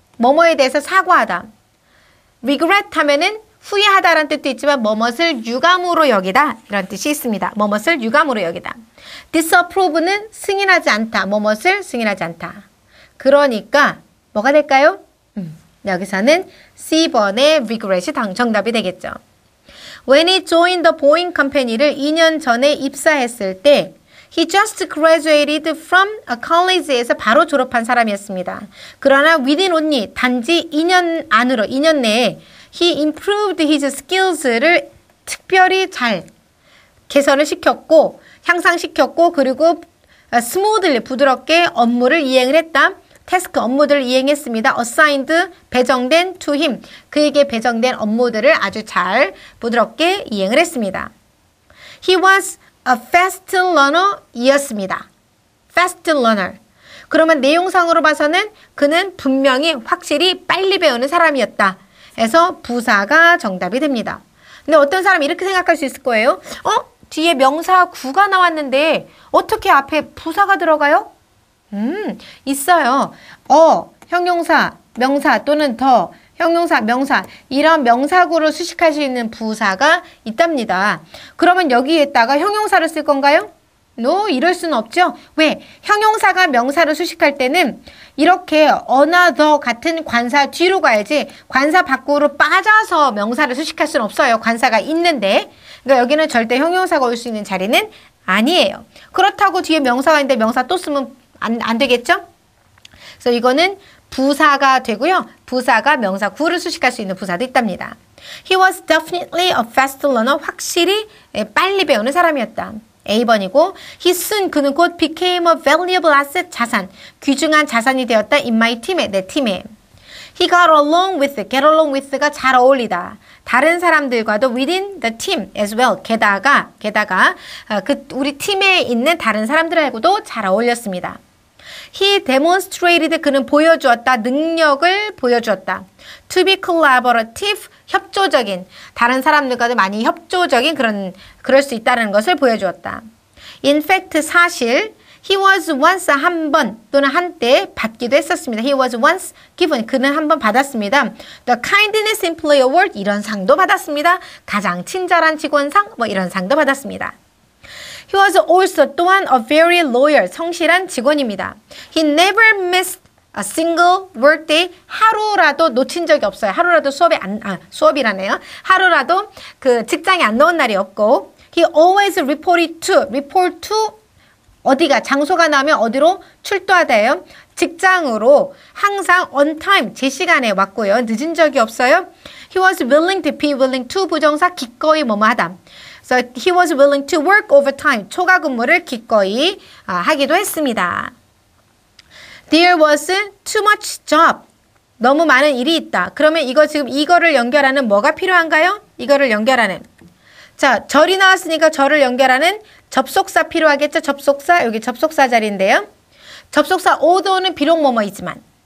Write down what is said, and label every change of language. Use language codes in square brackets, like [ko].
[ko] 뭐뭐에 대해서 사과하다. Regret 하면은 후회하다라는 뜻도 있지만 뭐뭐를 유감으로 여기다 이런 뜻이 있습니다. 뭐뭐를 유감으로 여기다. Disapprove는 승인하지 않다. 뭐뭐를 승인하지 않다. 그러니까 뭐가 될까요? 여기서는 C번의 regret이 정답이 되겠죠. [en] When he joined the Boeing Company를 [ko] 2년 전에 입사했을 때 [en] He just graduated from a college에서 [ko] 바로 졸업한 사람이었습니다. 그러나 [en] within only [ko] 단지 2년 안으로 2년 내에 [en] He improved his skills [ko] 를 특별히 잘 개선을 시켰고 향상시켰고 그리고 smoothly 부드럽게 업무를 이행을 했다. 태스크 업무들을 이행했습니다. Assigned 배정된 [en] to him [ko] 그에게 배정된 업무들을 아주 잘 부드럽게 이행을 했습니다. [en] He was a fast learner이었습니다. Fast learner. [ko] 그러면 내용상으로 봐서는 그는 분명히 확실히 빨리 배우는 사람이었다. 에서 부사가 정답이 됩니다. 근데 어떤 사람이 이렇게 생각할 수 있을 거예요. 어? 뒤에 명사 구가 나왔는데 어떻게 앞에 부사가 들어가요? 있어요. 형용사, 명사 또는 더, 형용사, 명사 이런 명사구로 수식할 수 있는 부사가 있답니다. 그러면 여기에다가 형용사를 쓸 건가요? No, 이럴 수는 없죠. 왜? 형용사가 명사를 수식할 때는 이렇게 another 같은 관사 뒤로 가야지 관사 밖으로 빠져서 명사를 수식할 수는 없어요. 관사가 있는데. 그러니까 여기는 절대 형용사가 올 수 있는 자리는 아니에요. 그렇다고 뒤에 명사가 있는데 명사 또 쓰면 안 되겠죠? 그래서 이거는 부사가 되고요. 부사가 명사 구를 수식할 수 있는 부사도 있답니다. [en] He was definitely a fast learner. [ko] 확실히 빨리 배우는 사람이었다. A번이고 [en] He soon, [ko] 그는 곧 [en] became a valuable asset, [ko] 자산, 귀중한 자산이 되었다. [en] In my team에, [ko] 내 팀에. [en] He got along with, get along with가 [ko] 잘 어울리다. 다른 사람들과도 [en] within the team as well. [ko] 게다가 그 우리 팀에 있는 다른 사람들하고도 잘 어울렸습니다. [en] He demonstrated, [ko] 그는 보여주었다. 능력을 보여주었다. [en] To be collaborative, [ko] 협조적인, 다른 사람들과도 많이 협조적인 그럴 수 있다는 것을 보여주었다. [en] In fact, [ko] 사실, [en] he was once, [ko] 한 번 또는 한때 받기도 했었습니다. [en] He was once given, [ko] 그는 한번 받았습니다. [en] The kindness employee award, [ko] 이런 상도 받았습니다. 가장 친절한 직원상, 뭐 이런 상도 받았습니다. [en] He was also 또한 a very loyal, [ko] 성실한 직원입니다. [en] He never missed a single workday, [ko] 하루라도 놓친 적이 없어요. 하루라도 수업이 안, 수업이라네요. 하루라도 그 직장에 안 나온 날이 없고, [en] He always reported to. Report to [ko] 어디가 장소가 나면 어디로 출두하대요? 직장으로 항상 [en] on time [ko] 제 시간에 왔고요. 늦은 적이 없어요. [en] He was willing to be willing to [ko] 부정사 기꺼이 뭐뭐하다. [en] So he was willing to work overtime [ko] 초과 근무를 기꺼이 하기도 했습니다. [en] There was too much job. [ko] 너무 많은 일이 있다. 그러면 이거 지금 이거를 연결하는 뭐가 필요한가요? 이거를 연결하는. 자, 절이 나왔으니까 절을 연결하는 접속사 필요하겠죠? 접속사. 여기 접속사 자리인데요. 접속사 although는 비록 뭐뭐이지만.